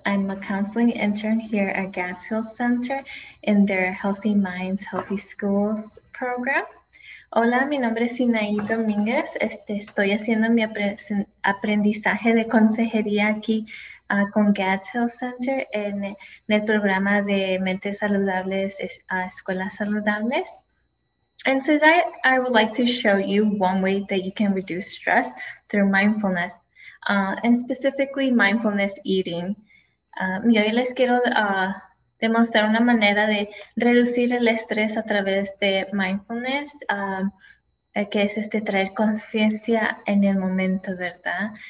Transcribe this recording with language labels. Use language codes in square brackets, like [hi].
[en] I'm a counseling intern here at Gads Hill Center in their Healthy Minds, Healthy Schools program. [es] Hola, mi nombre es Sinaí Domínguez. Estoy haciendo mi aprendizaje de consejería aquí con Gads Hill Center en el programa de Mentes Saludables, Escuelas Saludables. [en] And today I would like to show you one way that you can reduce stress through mindfulness, and specifically mindfulness eating. [es] Y hoy les quiero demostrar una manera de reducir el estrés a través de mindfulness, que es traer conciencia en el momento, ¿verdad?